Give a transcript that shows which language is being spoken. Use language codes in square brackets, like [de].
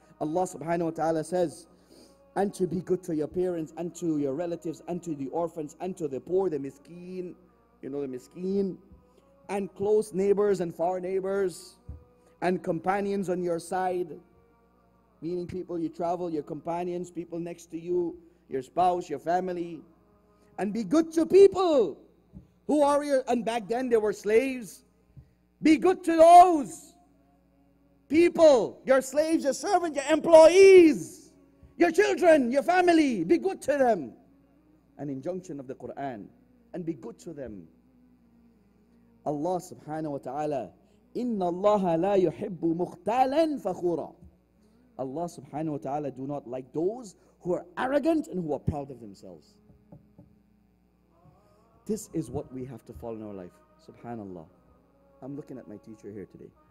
[en] Allah subhanahu wa ta'ala says, and to be good to your parents, and to your relatives, and to the orphans, and to the poor, the miskeen, you know, the miskeen, and close neighbors and far neighbors, and companions on your side, meaning people you travel, your companions, people next to you, your spouse, your family, and be good to people who are your, and back then they were slaves. Be good to those people, your slaves, your servants, your employees, your children, your family, be good to them. An injunction of the Quran. And be good to them. [ar] Allah subhanahu wa ta'ala, إِنَّ اللَّهَ لَا يُحِبُّ مُخْتَالًا فَخُورًا. [en] Allah subhanahu wa ta'ala do not like those who are arrogant and who are proud of themselves. This is what we have to follow in our life. Subhanallah. I'm looking at my teacher here today.